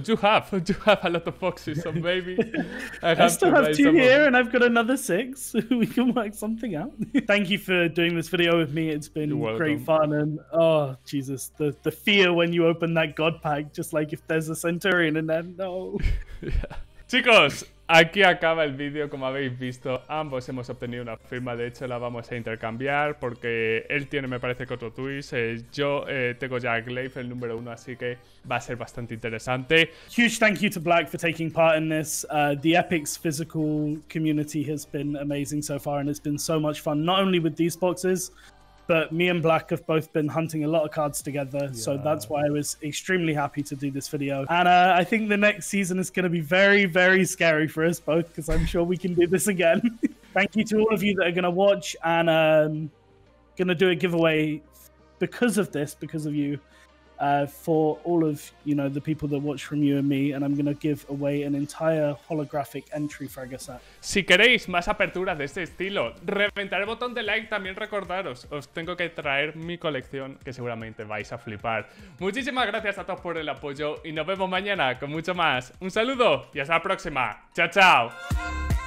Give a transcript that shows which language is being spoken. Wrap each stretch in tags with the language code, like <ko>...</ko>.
<en>You have a lot of boxes, so maybe I still have two here, and I've got another 6. We can work something out. Thank you for doing this video with me. It's been great fun. And oh, Jesus, the fear when you open that god pack, just like if there's a Centurion in there, no.</en> <es>Yeah. Chicos, aquí acaba el vídeo. Como habéis visto, ambos hemos obtenido una firma. De hecho, la vamos a intercambiar porque él tiene, me parece, que otro twist. Yo tengo ya a Glaive, el número 1, así que va a ser bastante interesante.</es> <en>Huge thank you to Black for taking part in this. The Epic's physical community has been amazing so far, and it's been so much fun, not only with these boxes, but me and Black have both been hunting a lot of cards together. Yeah. So that's why I was extremely happy to do this video. And I think the next season is going to be very, very scary for us both, because I'm sure we can do this again. Thank you to all of you that are going to watch, and going to do a giveaway because of this, because of you, for all of, you know, the people that watch from you and me. And I'm going to give away an entire holographic entry for Gasat.</en> <es>Si queréis más aperturas de este estilo, reventar el botón de like. También recordaros, os tengo que traer mi colección, que seguramente vais a flipar. Muchísimas gracias a todos por el apoyo y nos vemos mañana con mucho más. Un saludo y hasta la próxima. Chao, chao.</es>